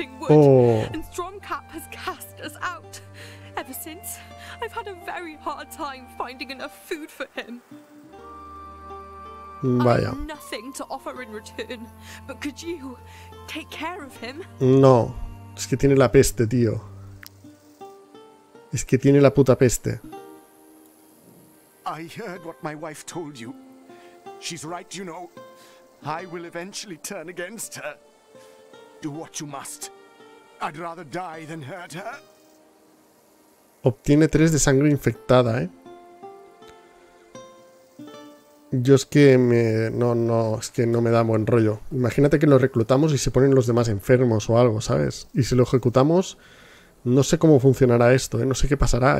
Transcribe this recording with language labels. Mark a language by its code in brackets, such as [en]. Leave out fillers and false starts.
[en] Oh. And Stormcap has cast us out. Ever since, I've had a very hard time finding enough food for him. [es] Vaya. [en] I have nothing to offer in return, but could you take care of him? [es] No, es que tiene la peste, tío. Es que tiene la puta peste. [en] I heard what my wife told you. She's right, you know. I will eventually turn against her. Do what you must. I'd rather die than hurt her. [es] Obtiene 3 de sangre infectada, ¿eh? Yo es que me... No, es que no me da buen rollo. Imagínate que lo reclutamos y se ponen los demás enfermos o algo, ¿sabes? Y si lo ejecutamos, no sé cómo funcionará esto, ¿eh? No sé qué pasará.